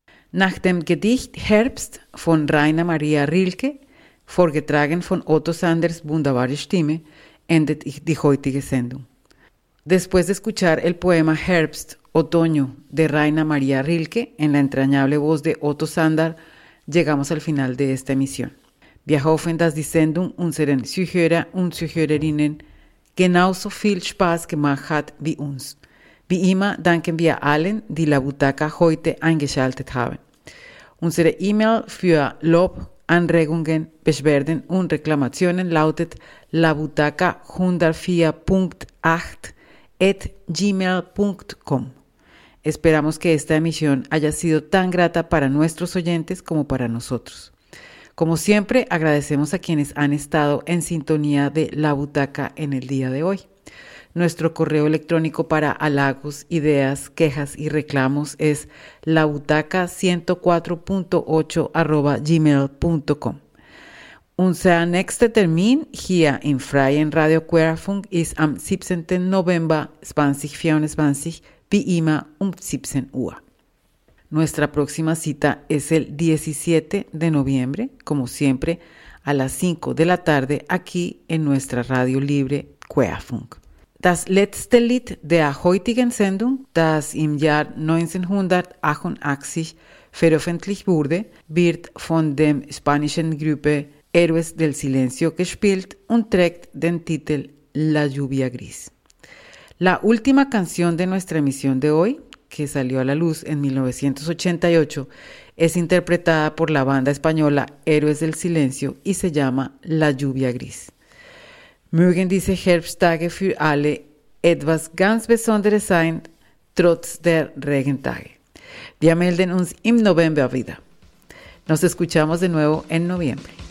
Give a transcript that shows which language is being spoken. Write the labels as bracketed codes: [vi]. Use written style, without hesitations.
[de] Nach dem Gedicht Herbst von Rainer Maria Rilke, vorgetragen von Otto Sanders' wunderbare Stimme, endet die heutige Sendung. [es] Después de escuchar el poema Herbst, Otoño, de Rainer Maria Rilke, en la entrañable voz de Otto Sander, llegamos al final de esta emisión. [de] Wir hoffen, dass die Sendung unseren Zuhörer und Zuhörerinnen genauso viel Spaß gemacht hat wie uns. Wie immer danken wir allen, die La Butaca heute eingeschaltet haben. Unsere E-Mail für Lob, Anregungen, Beschwerden und Reklamationen lautet labutaca104.8@gmail.com. [es] Esperamos que esta emisión haya sido tan grata para nuestros oyentes como para nosotros. Como siempre, agradecemos a quienes han estado en sintonía de La Butaca en el día de hoy. Nuestro correo electrónico para halagos, ideas, quejas y reclamos es labutaca104.8@gmail.com. [de] Unser nächster Termin hier im Freien Radio Querfunk ist am 17. November 2024, wie immer um 17 Uhr. [es] Nuestra próxima cita es el 17 de noviembre, como siempre, a las 5 de la tarde aquí en nuestra radio libre Querfunk. [de] Das letzte Lied der heutigen Sendung, das im Jahr 1988 veröffentlicht wurde, wird von der spanischen Gruppe Héroes del Silencio gespielt und trägt den Titel La Lluvia Gris. [es] La última canción de nuestra emisión de hoy, que salió a la luz en 1988, es interpretada por la banda española Héroes del Silencio y se llama La Lluvia Gris. [de] Mögen diese Herbsttage für alle etwas ganz Besonderes sein, trotz der Regentage. Wir melden uns im November wieder. [es] Nos escuchamos de nuevo en noviembre.